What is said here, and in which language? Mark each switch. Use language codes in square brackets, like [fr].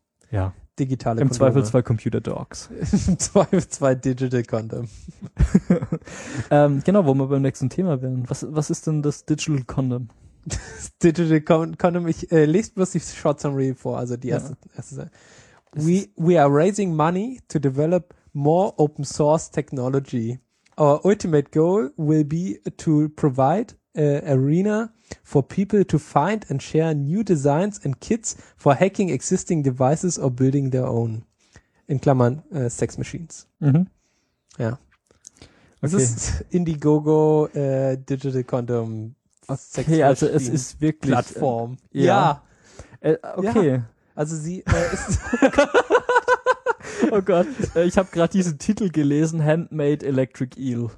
[de] Ja. Digitale Kondome. Im Zweifel zwei Computer Dogs. Im Zweifel zwei Digital Condom. genau, wo wir beim nächsten Thema wären. Was ist denn das Digital Condom? Das Digital Condom, ich lese bloß die Short Summary vor, also die erste Seite. [en] We are raising money to develop more open source technology. Our ultimate goal will be to provide arena for people to find and share new designs and kits for hacking existing devices or building their own. [de] In Klammern, Sex Machines. Mhm. Ja. Okay. Das ist Indiegogo Digital Condom Sex Machine. Okay, also es ist wirklich Plattform. Ja. Okay. Ja. Also sie ist Oh Gott, ich habe gerade diesen Titel gelesen, Handmade Electric Eel.